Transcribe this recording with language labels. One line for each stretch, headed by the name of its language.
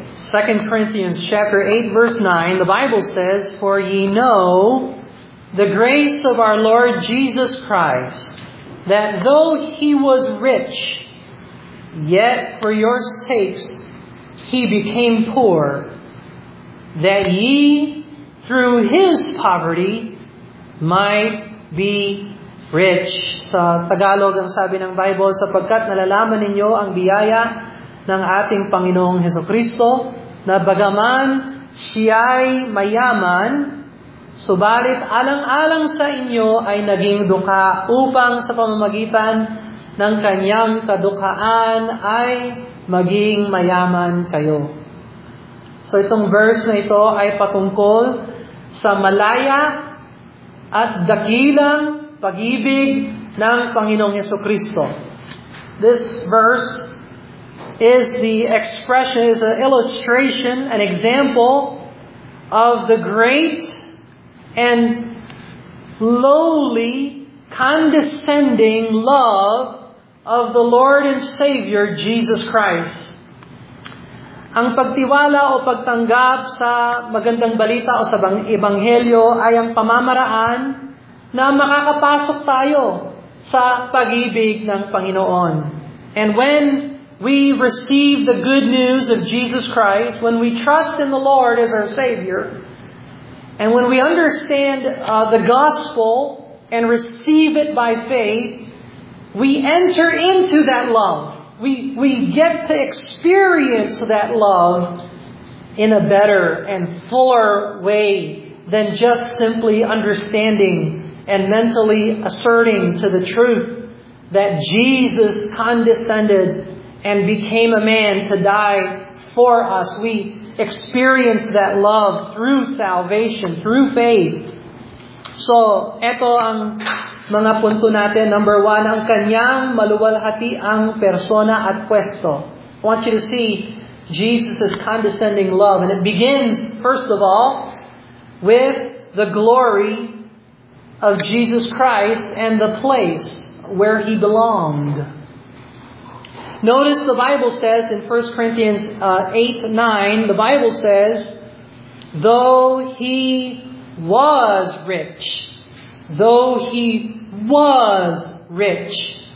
English: 2 Corinthians chapter 8, verse 9, the Bible says, "For ye know the grace of our Lord Jesus Christ, that though he was rich, yet for your sakes he became poor, that ye through his poverty might be rich."
Filipino: Sa Tagalog ang sabi ng Bible, sapagkat nalalaman ninyo ang biyaya ng ating Panginoong Hesukristo, na bagaman siya'y mayaman, subalit alang-alang sa inyo ay naging duka upang sa pamamagitan ng kanyang kadukaan ay maging mayaman kayo. So itong verse na ito ay patungkol sa malaya at dakilang pag-ibig ng Panginoong Hesukristo.
English: This verse is the expression, is an illustration, an example of the great and lowly, condescending love of the Lord and Savior Jesus Christ.
Filipino: Ang pagtiwala o pagtanggap sa magandang balita o sa ebanghelyo ay ang pamamaraan na makakapasok tayo sa pag-ibig ng Panginoon.
English: And when we receive the good news of Jesus Christ, when we trust in the Lord as our Savior, and when we understand the gospel and receive it by faith, we enter into that love. We get to experience that love in a better and fuller way than just simply understanding and mentally asserting to the truth that Jesus condescended and became a man to die for us. We experience that love through salvation, through faith.
Filipino: So, eto ang mga punto natin.
English: Number one,
Filipino: ang kanyang maluwalhati ang persona at pwesto.
English: I want you to see Jesus' condescending love. And it begins, first of all, with the glory of Jesus Christ and the place where he belonged. Notice the Bible says in 1 Corinthians 8:9, the Bible says, though he was rich, though he was rich.